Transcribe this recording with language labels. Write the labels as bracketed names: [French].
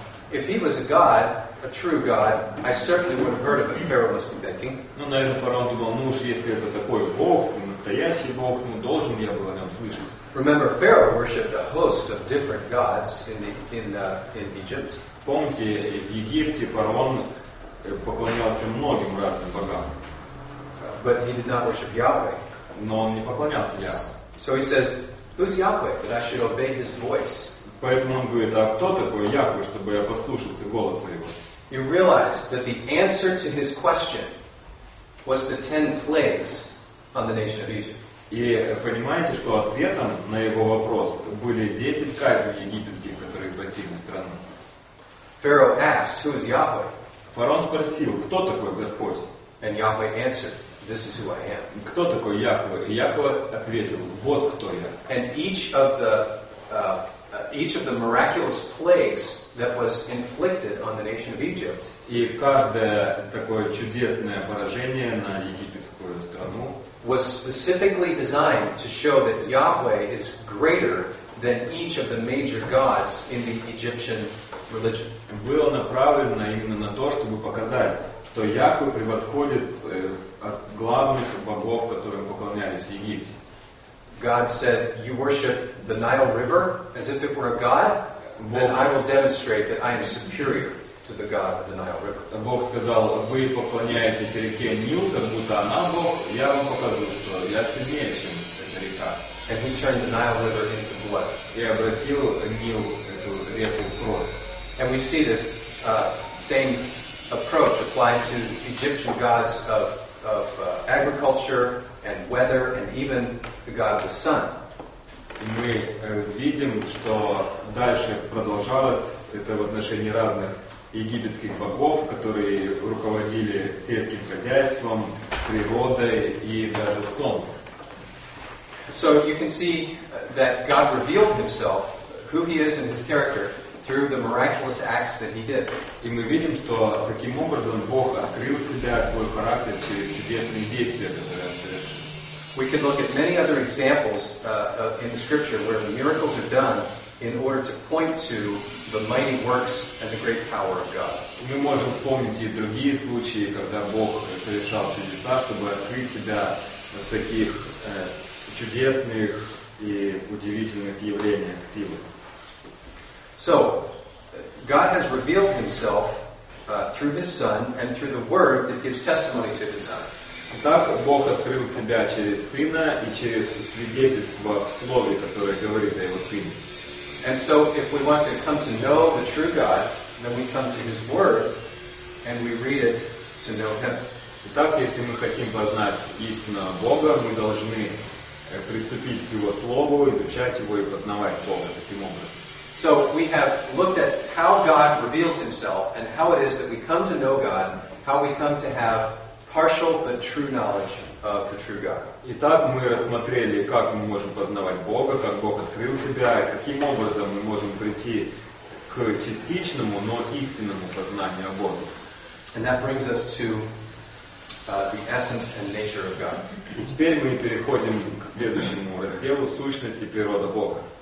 [English] If he was a god, a true god, I certainly would have heard of it. Pharaoh must be thinking. [Russian] Ну, наверное, фараон думал, ну уж если это такой бог, настоящий бог, ну должен я был о нем слышать. [English] Remember, Pharaoh worshipped a host of different gods in Egypt. [Russian] Помните, в Египте фараон поклонялся многим разным богам. [English] But he did not worship Yahweh. [Russian] Но он не поклонялся Яхве. [English] So he says, "Who's Yahweh that I should obey His voice?" [Russian] Поэтому он говорит, а кто такой Яхве, чтобы я послушался голоса его? [English] You realize that the answer to his question was the 10 plagues on the nation of Egypt. [Russian] И понимаете, что ответом на его вопрос были 10 казней египетских, которые постигли страну. [English] Pharaoh asked, who is Yahweh? [Russian] Фараон спросил, кто такой Господь? [English] And Yahweh answered, this is who I am. [Russian] Кто такой Яхве? И Яхве ответил, вот кто я. [English] And each of the miraculous plagues that was inflicted on the nation of Egypt. [Russian] И каждое такое чудесное поражение на египетскую страну [English] was specifically designed to show that Yahweh is greater than each of the major gods in the Egyptian religion. [Russian] Было направлено именно на то, чтобы показать, что Яхве превосходит главных богов, которым поклонялись в Египте. [English] God said, "You worship the Nile River as if it were a god, then I will demonstrate that I am superior to the god of the Nile River." [Russian] Бог сказал: "Вы поклоняетесь реке Нил, как будто она бог. Я вам покажу, что я сильнее, чем эта река." [English] And he turned the Nile River into blood. [Russian] И обратил Нил, эту реку, в кровь. [English] And we see this same approach applied to Egyptian gods of agriculture and weather, and even the god of the sun. [Russian] Мы видим, что дальше продолжалось это в отношении разных египетских богов, которые руководили сельским хозяйством, природой и даже солнцем. [English] So you can see that God revealed himself, who he is and his character, through the miraculous acts that he did. [Russian] И мы видим, что таким образом Бог открыл себя, свой характер, через чудесные действия, которые он совершил. [English] We can look at many other examples in the scripture where the miracles are done in order to point to the mighty works and the great power of God. [Russian] Мы можем вспомнить и другие случаи, когда Бог совершал чудеса, чтобы открыть себя в таких чудесных и удивительных явлениях силы. [English] So, God has revealed himself through his Son and through the Word that gives testimony to his Son. [Russian] Так Бог открыл себя через Сына и через свидетельство в Слове, которое говорит о его Сыне. [English] And so, if we want to come to know the true God, then we come to his Word and we read it to know him. [Russian] Итак, если мы хотим познать истинного Бога, мы должны приступить к его Слову, изучать его и познавать Бога таким образом. [English] So we have looked at how God reveals himself and how it is that we come to know God, how we come to have partial but true knowledge of the true God. [Russian] Итак, мы рассмотрели, как мы можем познавать Бога, как Бог открыл себя, и каким образом мы можем прийти к частичному, но истинному познанию о Боге. [English] And that brings us to the essence and nature of God. [Russian] И теперь мы переходим к следующему разделу сущности и природа Бога.